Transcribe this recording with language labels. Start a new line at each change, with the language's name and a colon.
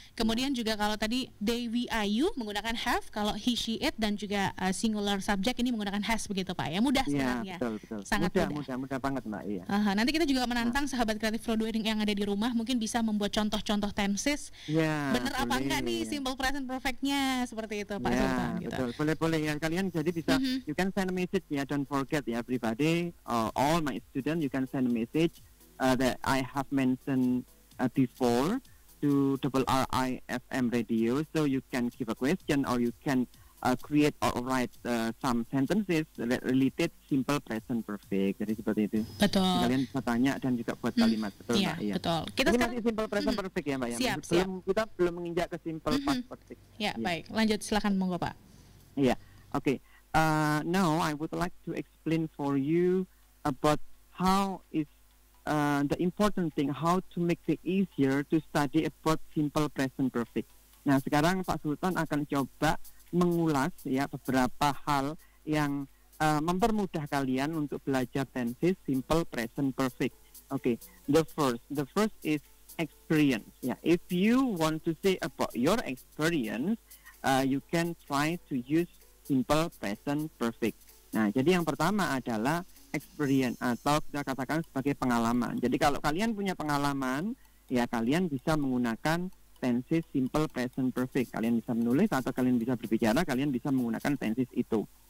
Indonesian: Kemudian juga kalau tadi they, we, are, you menggunakan have, kalau he, she, it, dan juga singular subject ini menggunakan has begitu Pak ya. Mudah sebenarnya. Betul. Sangat mudah banget Mbak. Iya. Nanti kita juga menantang sahabat kreatif Frodoing yang ada di rumah, mungkin bisa membuat contoh-contoh tenses. Ya. Bener apa enggak nih sih simple present perfect-nya seperti itu Pak Sultan. Betul. Boleh-boleh ya, kalian jadi bisa
English: you can send a message ya, don't forget ya everybody, all my student, you can send a message that I have mentioned before to RRIFM radio, so you can give a question or you can create or write some sentences related simple present perfect.
Indonesian: Jadi seperti itu. Betul. Kalian bisa tanya dan juga buat kalimat. Betul. Iya, Mbak, iya. Betul. Kita ini sekarang masih simple present perfect ya Mbak. Siap. Belum, kita belum menginjak ke simple past perfect. Ya, iya. Baik. Lanjut, silakan monggo Pak. Iya. Oke. Okay.
English: Now I would like to explain for you about how is the important thing, how to make it easier to study about simple present perfect.
Indonesian: Nah, sekarang Pak Sultan akan coba mengulas ya beberapa hal yang mempermudah kalian untuk belajar tenses simple present perfect.
English: Okay, the first is experience. Yeah, if you want to say about your experience, you can try to use simple present perfect.
Indonesian: Nah, jadi yang pertama adalah experience atau kita katakan sebagai pengalaman. Jadi kalau kalian punya pengalaman, ya kalian bisa menggunakan tenses simple present perfect. Kalian bisa menulis atau kalian bisa berbicara, kalian bisa menggunakan tenses itu.